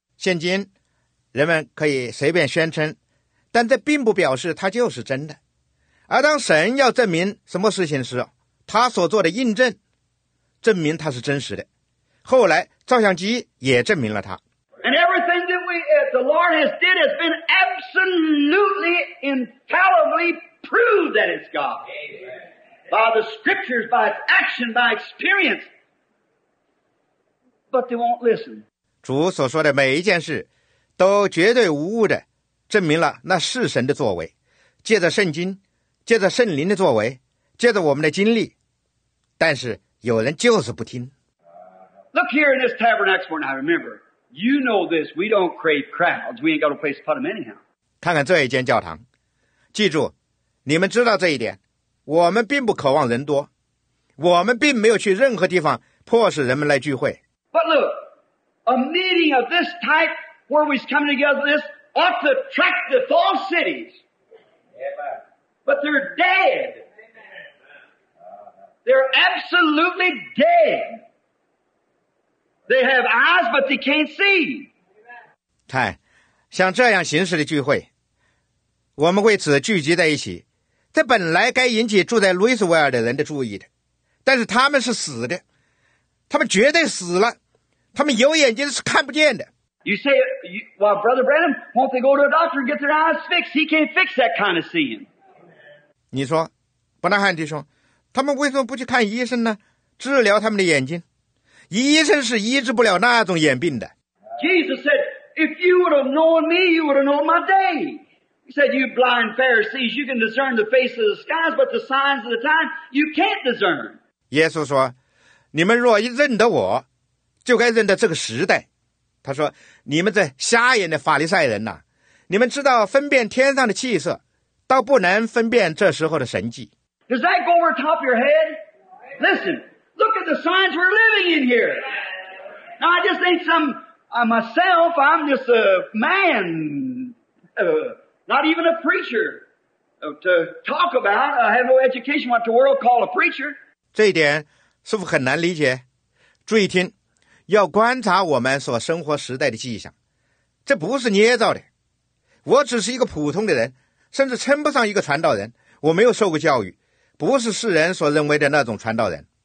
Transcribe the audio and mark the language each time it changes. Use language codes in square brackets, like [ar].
[zh] 现今人们可以随便宣称，但这并不表示它就是真的。而当神要证明什么事情时，他所做的印证证明它是真实的。后来照相机也证明了它。 [en] And everything that the Lord has did has been absolutely infallibly proved that it's God. By the scriptures, by its action, by experience. But they won't listen. [zh] 主所说的每一件事都绝对无误的证明了那是神的作为，借着圣经，借着圣灵的作为，借着我们的经历，但是有人就是不听。 [en] Look here in this tabernacle, and I remember, you know this, we don't crave crowds, we ain't got a place to put them anyhow. [zh] 看看这一间教堂，记住，你们知道这一点，我们并不渴望人多，我们并没有去任何地方迫使人们来聚会。 [en] But look, a meeting of this type where we's coming together this ought to attract the false cities. But they're dead. They're absolutely dead. They have eyes, but they can't see. [zh] 看，像这样形式的聚会，我们为此聚集在一起，这本来该引起住在路易斯维尔的人的注意的，但是他们是死的，他们绝对死了，他们有眼睛是看不见的。 [en] You say, well, Brother Branham, won't they go to a doctor and get their eyes fixed? He can't fix that kind of seeing. [zh] 你说，伯纳汉弟兄，他们为什么不去看医生呢？治疗他们的眼睛，医生是医治不了那种眼病的。 [en] Jesus said, if you would have known me, you would have known my day. He said, you blind Pharisees, you can discern the face of the skies, but the signs of the time, you can't discern. [zh] 耶稣说，你们若认得我，就该认得这个时代。他说，你们这瞎眼的法利赛人啊，你们知道分辨天上的气色，倒不能分辨这时候的神迹。 [en] Does that go over the top of your head? Listen, look at the signs we're living in here. Now, I just ain't some, myself, I'm just a man, Not even a preacher to talk about. I have no education what the world call a preacher. [zh] 这一点是否很难理解？注意听，要观察我们所生活时代的迹象。这不是捏造的。我只是一个普通的人，甚至称不上一个传道人。我没有受过教育，不是世人所认为的那种传道人。